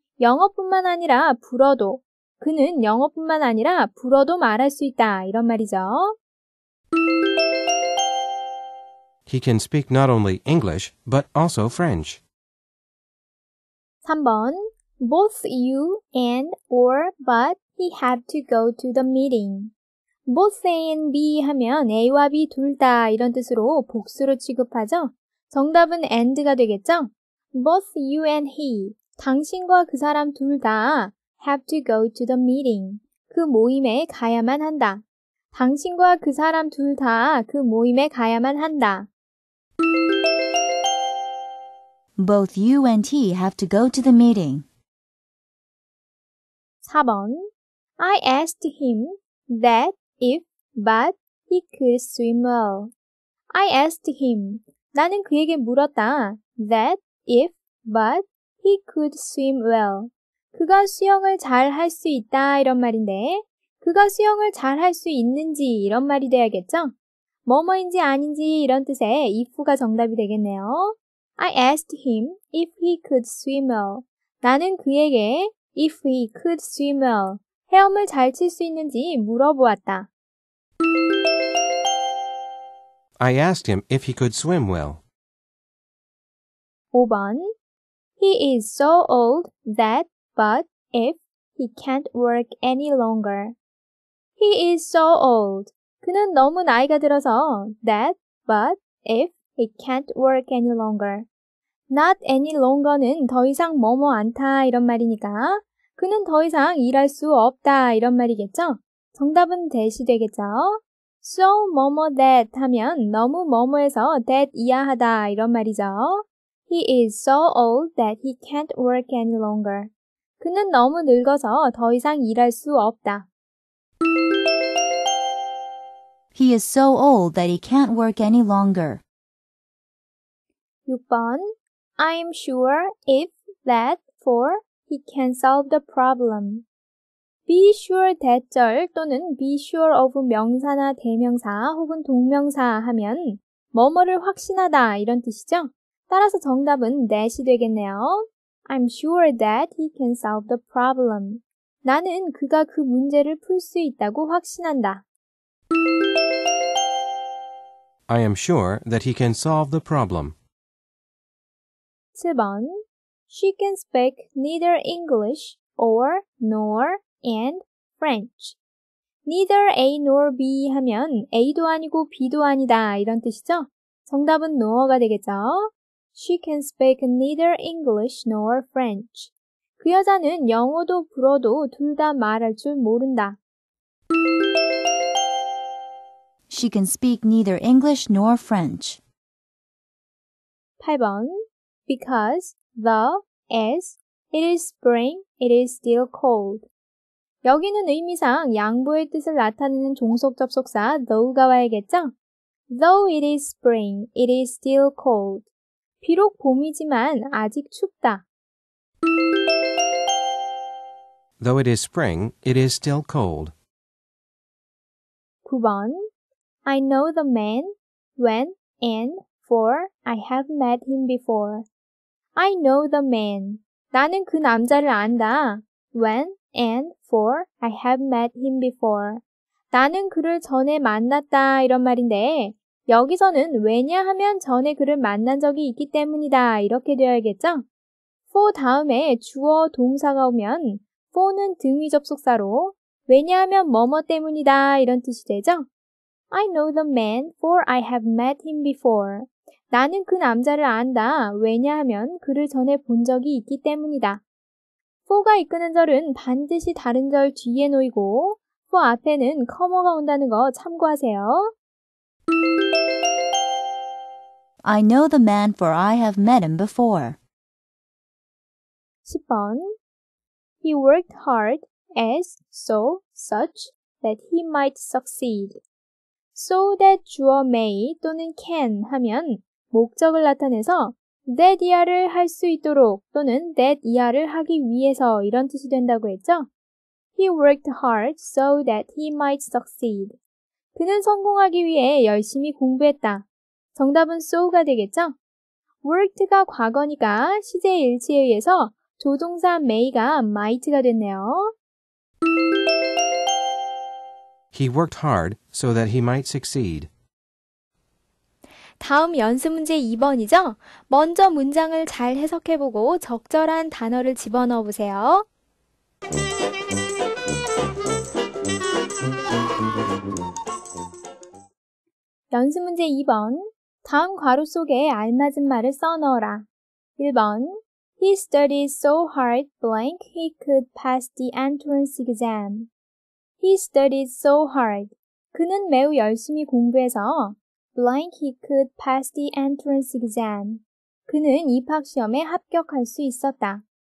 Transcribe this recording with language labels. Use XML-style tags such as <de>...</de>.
<ko>영어뿐만 아니라 불어도. 그는 영어뿐만 아니라 불어도 말할 수 있다. 이런 말이죠.</ko> <en>He can speak not only English, but also French.</en> <ko>3번.</ko> <en>Both you and or but he have to go to the meeting.</en> <ko>Both A and B 하면 A와 B 둘다 이런 뜻으로 복수로 취급하죠. 정답은 and가 되겠죠.</ko> <en>Both you and he.</en> <ko>당신과 그 사람 둘다</ko> <en>have to go to the meeting.</en> <ko>그 모임에 가야만 한다. 당신과 그 사람 둘다그 모임에 가야만 한다.</ko> <en>Both you and he have to go to the meeting.</en> <ko>4번.</ko> <en>I asked him that if but he could swim well. I asked him.</en> <ko>나는 그에게 물었다.</ko> <en>That if but he could swim well.</en> <ko>그가 수영을 잘할수 있다 이런 말인데 그가 수영을 잘할수 있는지 이런 말이 돼야겠죠? 뭐뭐인지 아닌지 이런 뜻의 if가 정답이 되겠네요.</ko> <en>I asked him if he could swim well.</en> <ko>나는 그에게</ko> <en>if he could swim well.</en> <ko>헤엄을 잘칠수 있는지 물어보았다.</ko> <en>I asked him if he could swim well.</en> <ko>5번.</ko> <en>He is so old that But if he can't work any longer. He is so old.</en> <ko>그는 너무 나이가 들어서</ko> <en>that, but if he can't work any longer.</en> <ko>Not any longer는 더 이상 뭐뭐 않다 이런 말이니까 그는 더 이상 일할 수 없다 이런 말이겠죠? 정답은 that이 되겠죠? So 뭐뭐 that 하면 너무 뭐뭐해서 that 이하하다 이런 말이죠.</ko> <en>He is so old that he can't work any longer.</en> <ko>그는 너무 늙어서 더 이상 일할 수 없다.</ko> <en>He is so old that he can't work any longer.</en> <ko>6번.</ko> <en>I am sure if that for he can solve the problem.</en> <ko>Be sure that 절 또는 be sure of 명사나 대명사 혹은 동명사 하면 뭐뭐를 확신하다 이런 뜻이죠? 따라서 정답은 that이 되겠네요.</ko> <en>I'm sure that he can solve the problem.</en> <ko>나는 그가 그 문제를 풀수 있다고 확신한다.</ko> <en>I am sure that he can solve the problem.</en> <ko>7번.</ko> <en>She can speak neither English or nor and French.</en> <ko>Neither A nor B 하면 A도 아니고 B도 아니다 이런 뜻이죠? 정답은 nor가 되겠죠?</ko> <en>She can speak neither English nor French.</en> <ko>그 여자는 영어도 불어도 둘다 말할 줄 모른다.</ko> <en>She can speak neither English nor French.</en> <ko>8번.</ko> <en>Because, the, as, it is spring, it is still cold.</en> <ko>여기는 의미상 양보의 뜻을 나타내는 종속 접속사 though가 와야겠죠?</ko> <en>Though it is spring, it is still cold.</en> <ko>비록 봄이지만 아직 춥다.</ko> <en>Though it is spring, it is still cold. 9번 I know the man when and for I have met him before. I know the man.</en> <ko>나는 그 남자를 안다.</ko> <en>When and for I have met him before.</en> <ko>나는 그를 전에 만났다 이런 말인데 여기서는 왜냐하면 전에 그를 만난 적이 있기 때문이다 이렇게 되어야겠죠? for 다음에 주어 동사가 오면 for는 등위 접속사로 왜냐하면 뭐뭐 때문이다 이런 뜻이 되죠?</ko> <en>I know the man for I have met him before.</en> <ko>나는 그 남자를 안다. 왜냐하면 그를 전에 본 적이 있기 때문이다. for가 이끄는 절은 반드시 다른 절 뒤에 놓이고 for 앞에는 comma가 온다는 거 참고하세요.</ko> <en>I know the man for I have met him before. 10번 He worked hard as so such that he might succeed.</en> <ko>So that 주어 may 또는 can 하면 목적을 나타내서 that 이하를 할 수 있도록 또는 that 이하를 하기 위해서 이런 뜻이 된다고 했죠?</ko> <en>He worked hard so that he might succeed.</en> <ko>그는 성공하기 위해 열심히 공부했다. 정답은 so가 되겠죠? worked가 과거니까 시제 일치에 의해서 조동사 may가 might가 됐네요.</ko> <en>He worked hard so that he might succeed.</en> <ko>다음 연습문제 2번이죠? 먼저 문장을 잘 해석해보고 적절한 단어를 집어넣어보세요. 연습문제 2번 다음 괄호 속에 알맞은 말을 써넣어라. 1번</ko> <en>He studied so hard blank he could pass the entrance exam. He studied so hard.</en> <ko>그는 매우 열심히 공부해서</ko> <en>blank he could pass the entrance exam.</en> <ko>그는 입학시험에 합격할 수 있었다.</ko>